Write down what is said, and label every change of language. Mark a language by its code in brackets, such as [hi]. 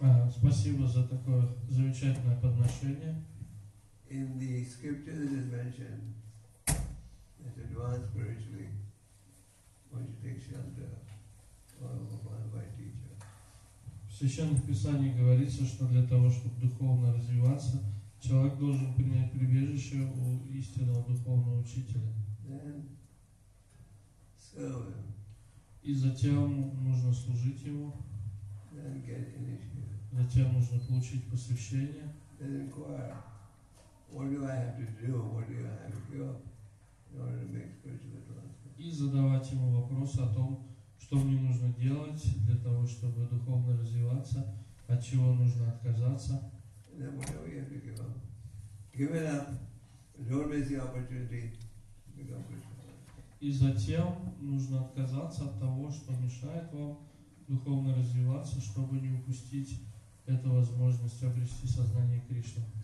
[ru] Спасибо за такое замечательное подношение. [en] In the scripture it is mentioned that to advance spiritually one should take shelter of a qualified teacher. [ru] В Священном Писании говорится, что для того, чтобы духовно развиваться, человек должен принять прибежище у истинного духовного учителя. [en] Then serve him. [ru] И затем нужно служить ему. [en] Then get initiated. [ru] Затем нужно получить посвящение. [en] Then inquire, what do I have to do, what do I have to give in order to make spiritual advancement? [ru] И задавать ему вопрос о том, что мне нужно делать для того, чтобы духовно развиваться, от чего нужно отказаться. [en] And then whatever you have to give up, give it up, don't miss the opportunity to become Krishna. [ru] И затем нужно отказаться от того, что мешает вам духовно развиваться, чтобы не упустить эту возможность обрести сознание Кришны.